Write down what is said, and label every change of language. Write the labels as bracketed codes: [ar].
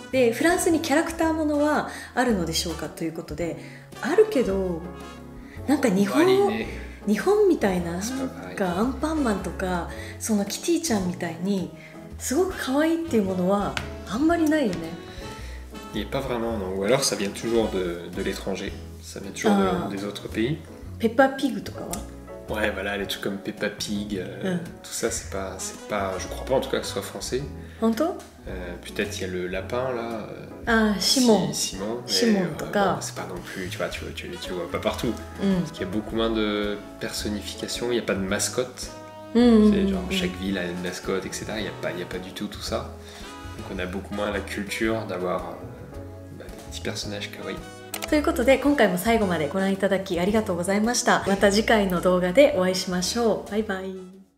[ja] でフランスにキャラクターものはあるのでしょうかということで、あるけどなんか日本みたいな、なんかアンパンマンとかそのキティちゃんみたいにすごく可愛いっていうものはあんまりないよね。いや、 [fr] pas vraiment non. Ou alors ça vient toujours de l'étranger. Ça vient toujours des autres pays. [ja] Peppa Pig とかは？ [fr] Ouais, voilà, les trucs comme Peppa Pig, tout ça, c'est pas, je crois pas en tout cas que ce soit français. [ja] 本当？ [fr] Peut-être il y a le lapin là. Ah, Simon. Simon. [ja] Simon, とか。 [fr] Bon, c'est pas non plus, tu vois, tu vois pas partout. Il y a beaucoup moins de personnification. Il y a pas de mascotte. C'est genre chaque ville a une mascotte, etc. Il y a pas du tout tout ça. Donc on a beaucoup moins la culture d'avoir bah, des petits personnages kawaii. [ja] ということで、今回も最後までご覧いただきありがとうございました。また次回の動画でお会いしましょう。バイバイ。